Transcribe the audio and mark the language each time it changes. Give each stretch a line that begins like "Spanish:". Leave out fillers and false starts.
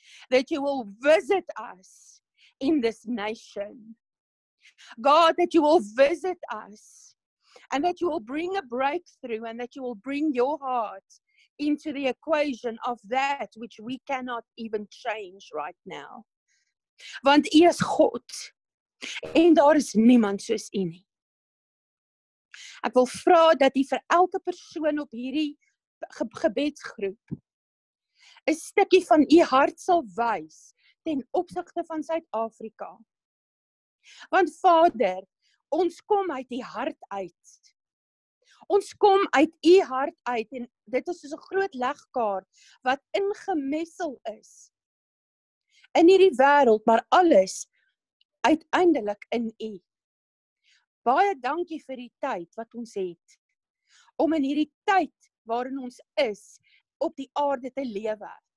English: that you will visit us in this nation. God, that you will visit us and that you will bring a breakthrough and that you will bring your heart into the equation of that which we cannot even change right now.
Afrikaans: Want U is God en daar is niemand soos U nie. Ek wil vra dat U vir elke persoon op hierdie gebedsgroep 'n stukkie van U hart sal wys ten opsigte van Suid-Afrika. Want Vader, ons kom uit U hart uit. Ons kom uit U hart uit en dit is soos 'n groot legkaart wat ingemessel is in hierdie wêreld, maar alles uiteindelik in U. Baie dankie vir die tyd wat ons het om in hierdie tyd waarin ons is op die aarde te lewe.